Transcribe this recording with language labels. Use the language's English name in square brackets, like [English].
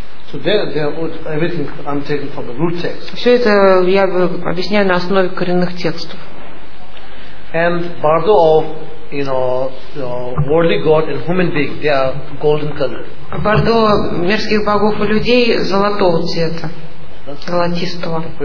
[English] So there would everything I'm taking from the root text. [Russian] Все это я объясняю на основе коренных текстов. [English] And Bardo of, you know, worldly god and human being, they are golden color. [Russian] Бардо мирских богов и людей золотого цвета, золотистого.